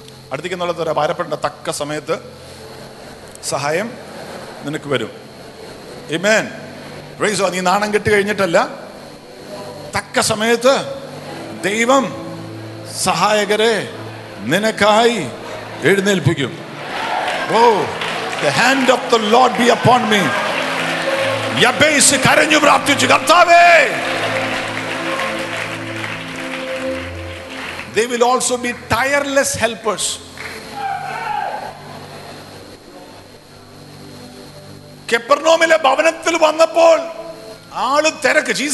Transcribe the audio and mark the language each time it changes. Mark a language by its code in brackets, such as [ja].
[ml] അടുത്തേക്ക് എന്നുള്ളത് ഒരു ഭാരപ്പെടേണ്ട, തക്ക സമയത്ത് സഹായം നിനക്ക് വരും. Amen. [en] Praise God. [ml] നീ നാണം കെട്ടി കഴിഞ്ഞിട്ടല്ല, തക്ക സമയത്ത് ദൈവം സഹായകരെ നിനക്കായി എഴുന്നേൽപ്പിക്കും. [en] Oh, the hand of the Lord be upon me. [ml] Jabez കരഞ്ഞു പ്രാർത്ഥിച്ചു, കർത്താവേ, [en] they will also be tireless helpers. [ml] കെപ്പർനോമിലെ ഭവനത്തിൽ വന്നപ്പോൾ ആള് തിരക്ക്.